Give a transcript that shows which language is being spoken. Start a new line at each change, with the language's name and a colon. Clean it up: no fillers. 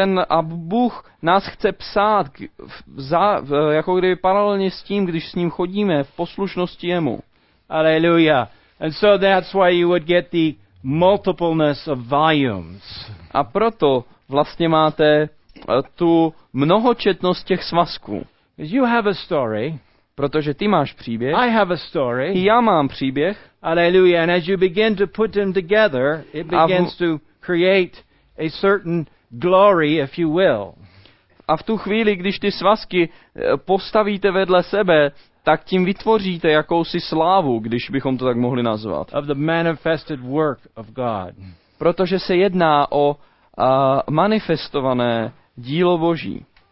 Czech: A Bůh nás chce psát jako kdyby paralelně s tím, když s ním chodíme v poslušnosti jemu. Alleluja.
English: And so that's why you would get the multipleness of volumes.
Czech: A proto vlastně máte tu mnohočetnost těch svazků.
English: You have a story.
Czech: Protože ty máš příběh.
English: I have a story.
Czech: Já mám příběh. Alleluja.
English: And as you begin to put them together, it begins to create a certain glory, if you will.
Czech: A v tu chvíli, když ty svazky postavíte vedle sebe, tak tím vytvoříte jakousi slávu, když bychom to tak mohli nazvat.
English: Of the manifested work of God.
Czech: Protože se jedná o manifestované dílo Boží.